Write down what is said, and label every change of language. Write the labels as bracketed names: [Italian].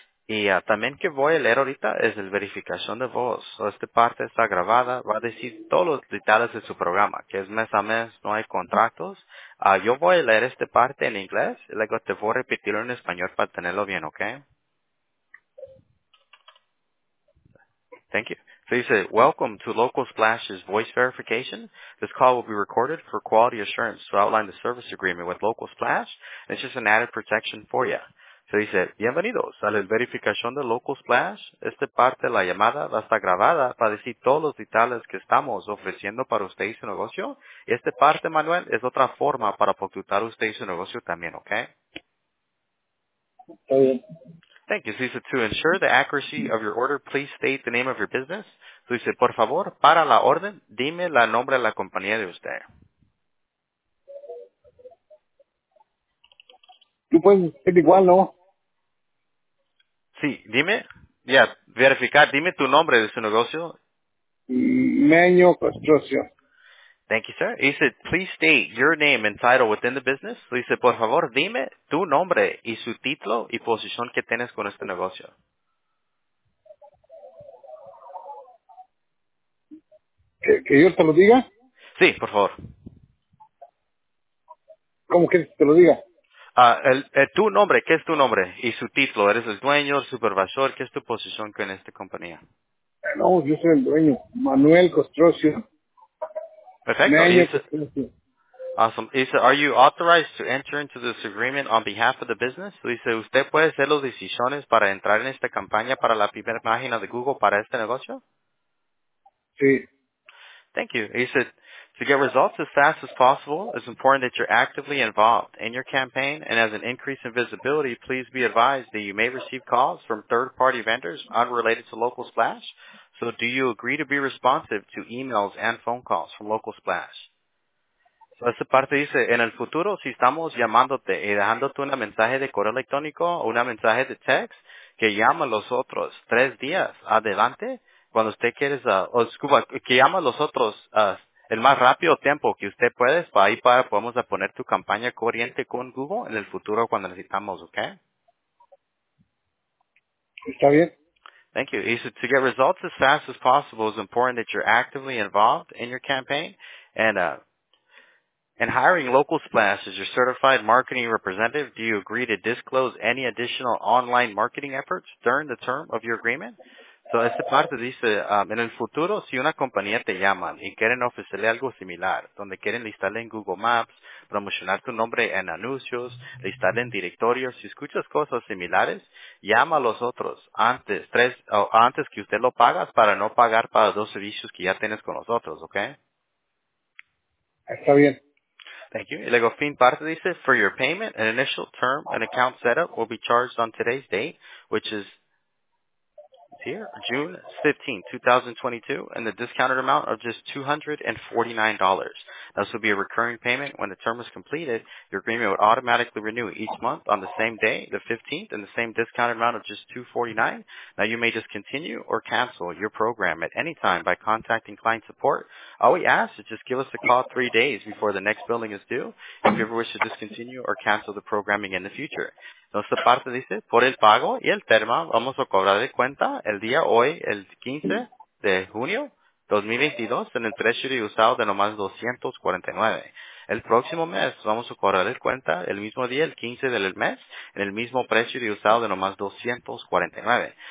[Spanish] Y también que voy a leer ahorita es el verificación de voz. So, esta parte está grabada. Va a decir todos los detalles de su programa, que es mes a mes, no hay contratos. Yo voy a leer esta parte en inglés y luego te voy a repetirlo en español para tenerlo bien, ¿ok? [English] Thank you. So you say, welcome to Local Splash's voice verification. This call will be recorded for quality assurance to outline the service agreement with Local Splash. It's just an added protection for you. [Spanish] Se dice, bienvenidos a la verificación de Local Splash. Esta parte de la llamada va a estar grabada para decir todos los detalles que estamos ofreciendo para usted y su negocio. Y esta parte, Manuel, es otra forma para facturar usted y su negocio también, ¿ok? [English] Thank you. [Spanish] Se dice, [English] to ensure the accuracy of your order, please state the name of your business. [Spanish] Se dice, por favor, para la orden, dime el nombre de la compañía de usted. tú puedes ser igual, ¿no? Sí, dime. Ya, yeah, verificar. Dime tu nombre de su negocio. Meño Construcción. [English] Thank you, sir. He said, please state your name and title within the business. [Spanish] Le dice, por favor, dime tu nombre y su título y posición que tienes con este negocio. ¿Que yo te lo diga? Sí, por favor. ¿Cómo quieres que te lo diga? Tu nombre, ¿qué es tu nombre y su título? ¿Eres el dueño, el supervisor? ¿Qué es tu posición con esta compañía? No, yo soy el dueño, Manuel Costrocio. Perfecto. Awesome. [English] Isa, are you authorized to enter into this agreement on behalf of the business? [Spanish] Dice, ¿usted puede hacer las decisiones para entrar en esta campaña para la primera página de Google para este negocio? Sí. [English] Thank you. Isa, to get results as fast as possible, it's important that you're actively involved in your campaign, and as an increase in visibility, please be advised that you may receive calls from third-party vendors unrelated to Local Splash. So do you agree to be responsive to emails and phone calls from Local Splash? [Spanish] So esa parte dice, en el futuro, si estamos llamándote y dejándote un mensaje de correo electrónico o un mensaje de text, que llama los otros 3 días adelante, cuando usted quiere, que llama los otros el más rápido tiempo que usted puede, para ahí para podemos poner tu campaña corriente con Google en el futuro cuando necesitamos, ¿ok? Está bien. [English] Thank you. He said, to get results as fast as possible, it's important that you're actively involved in your campaign. And hiring Local Splash as your certified marketing representative, do you agree to disclose any additional online marketing efforts during the term of your agreement? [Spanish] So, esta parte dice, en el futuro, si una compañía te llama y quieren ofrecerle algo similar, donde quieren listarle en Google Maps, promocionar tu nombre en anuncios, listarle en directorios, si escuchas cosas similares, llama a los otros antes que usted lo pagas para no pagar para 2 servicios que ya tienes con nosotros, ¿ok? Está bien. [English] Thank you. [Spanish] Y luego, fin parte dice, [English] for your payment, an initial term and account setup will be charged on today's date, which is June 15, 2022, and the discounted amount of just $249. This will be a recurring payment. When the term is completed, your agreement would automatically renew each month on the same day, the 15th, and the same discounted amount of just $249. Now, you may just continue or cancel your program at any time by contacting client support. All we ask is just give us a call 3 days before the next billing is due if you ever wish to discontinue or cancel the programming in the future. [Spanish] Entonces, parte dice, por el pago y el termo, vamos a cobrar de cuenta el día hoy, el 15 de junio 2022, en el treasury usado de nomás 249. El próximo mes, vamos a cobrar de cuenta el mismo día, el 15 del mes, en el mismo treasury usado de nomás 249.